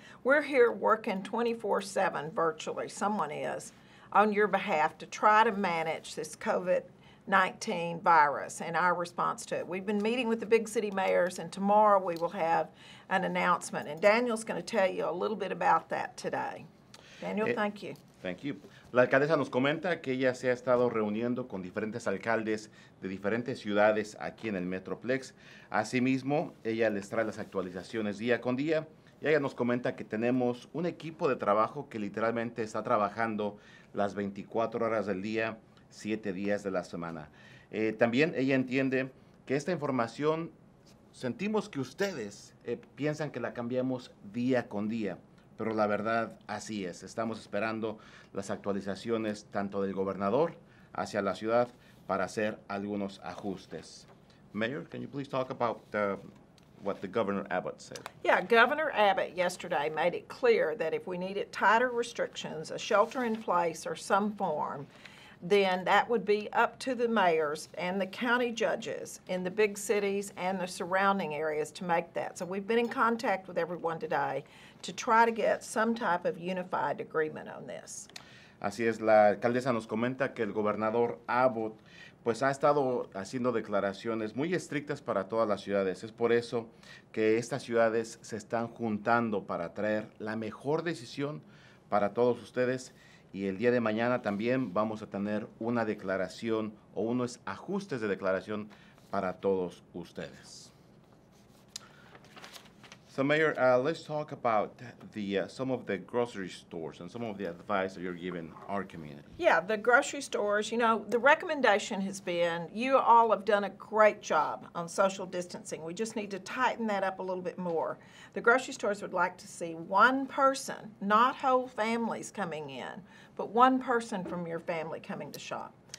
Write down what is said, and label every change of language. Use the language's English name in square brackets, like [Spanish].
[English] We're here working 24/7 virtually, someone is, on your behalf to try to manage this COVID-19 virus and our response to it. We've been meeting with the big city mayors, and tomorrow we will have an announcement. And Daniel's going to tell you a little bit about that today. Daniel, thank you. Thank you. [Spanish] La alcaldesa nos comenta que ella se ha estado reuniendo con diferentes alcaldes de diferentes ciudades aquí en el Metroplex. Asimismo, ella les trae las actualizaciones día con día. Y ella nos comenta que tenemos un equipo de trabajo que literalmente está trabajando las 24 horas del día, 7 días de la semana. También ella entiende que esta información, sentimos que ustedes piensan que la cambiamos día con día. Pero la verdad, así es. Estamos esperando las actualizaciones tanto del gobernador hacia la ciudad para hacer algunos ajustes. [English] Mayor, can you please talk about what the Governor Abbott said? Yeah, Governor Abbott yesterday made it clear that if we needed tighter restrictions, a shelter in place or some form, then that would be up to the mayors and the county judges in the big cities and the surrounding areas to make that. So we've been in contact with everyone today to try to get some type of unified agreement on this. [Spanish] Así es, la alcaldesa nos comenta que el gobernador Abbott pues ha estado haciendo declaraciones muy estrictas para todas las ciudades. Es por eso que estas ciudades se están juntando para traer la mejor decisión para todos ustedes. Y el día de mañana también vamos a tener una declaración o unos ajustes de declaración para todos ustedes. [English] So, Mayor, let's talk about the some of the grocery stores and some of the advice that you're giving our community. Yeah, the grocery stores, you know, the recommendation has been you all have done a great job on social distancing. We just need to tighten that up a little bit more. The grocery stores would like to see one person, not whole families coming in, but one person from your family coming to shop.